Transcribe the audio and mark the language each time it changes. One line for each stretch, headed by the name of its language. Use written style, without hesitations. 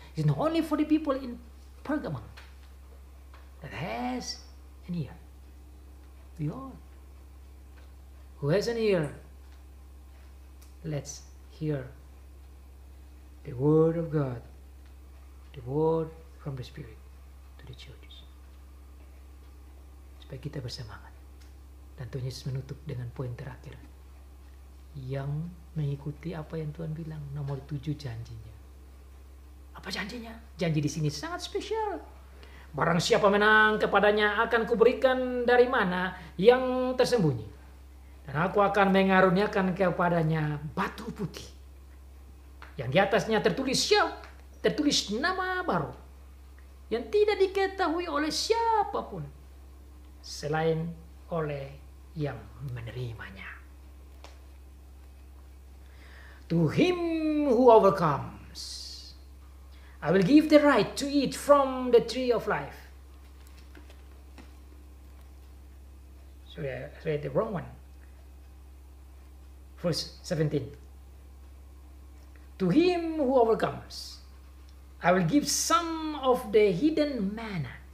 English: It's not only for the people in Pergamum that has an ear. We all. Who has an ear? Let's hear the word of God, the word from the Spirit to the churches.
Indonesian: Supaya kita bersemangat. Dan Tuhan Yesus menutup dengan poin terakhir. Yang mengikuti apa yang Tuhan bilang, nomor 7 janjinya. Apa janjinya? Janji di sini sangat spesial. Barang siapa menang kepadanya akan kuberikan dari mana yang tersembunyi. Dan aku akan mengaruniakan kepadanya batu putih. Yang di atasnya tertulis nama baru. Yang tidak diketahui oleh siapapun. Selain oleh yang menerimanya.
English: To him who overcomes, I will give the right to eat from the tree of life. Sorry, I read the wrong one. Verse 17. To him who overcomes, I will give some of the hidden manna.